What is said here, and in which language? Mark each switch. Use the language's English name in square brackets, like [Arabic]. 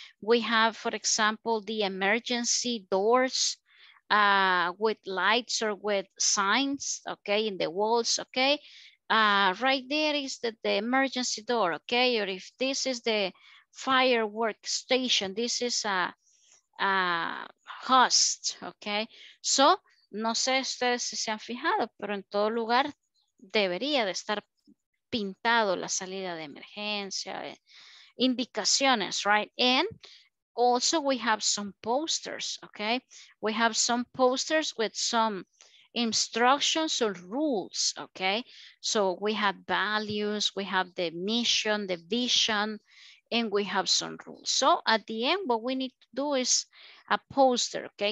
[English] We have, for example, the emergency doors with lights or with signs, okay, in the walls, okay? Right there is the emergency door, okay? Or if this is the firework station, this is a host, okay? [Spanish] So, no sé ustedes si se han fijado, pero en todo lugar debería de estar pintado la salida de emergencia, indicaciones, right? [English] And also we have some posters, okay? We have some posters with some instructions or rules, okay? So we have values, we have the mission, the vision, and we have some rules. So at the end, what we need to do is a poster, okay?